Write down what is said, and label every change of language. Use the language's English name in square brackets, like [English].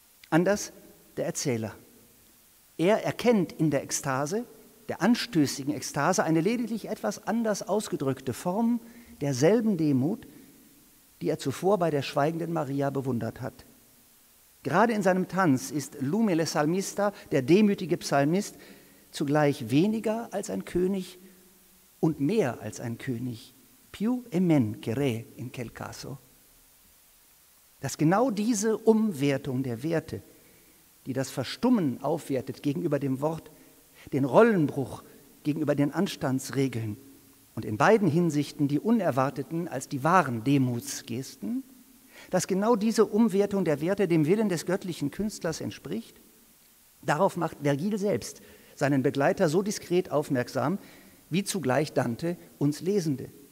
[German] Anders der Erzähler. Er erkennt in der Ekstase, der anstößigen Ekstase, eine lediglich etwas anders ausgedrückte Form derselben Demut, die er zuvor bei der schweigenden Maria bewundert hat. Gerade in seinem Tanz ist [Italian] l'umile salmista, [German] der demütige Psalmist, zugleich weniger als ein König und mehr als ein König. [Italian] Più e men che re in quel caso. [German] Dass genau diese Umwertung der Werte, die das Verstummen aufwertet gegenüber dem Wort, den Rollenbruch gegenüber den Anstandsregeln und in beiden Hinsichten die unerwarteten als die wahren Demutsgesten, dass genau diese Umwertung der Werte dem Willen des göttlichen Künstlers entspricht, darauf macht Vergil selbst seinen Begleiter so diskret aufmerksam, wie zugleich Dante uns Lesende.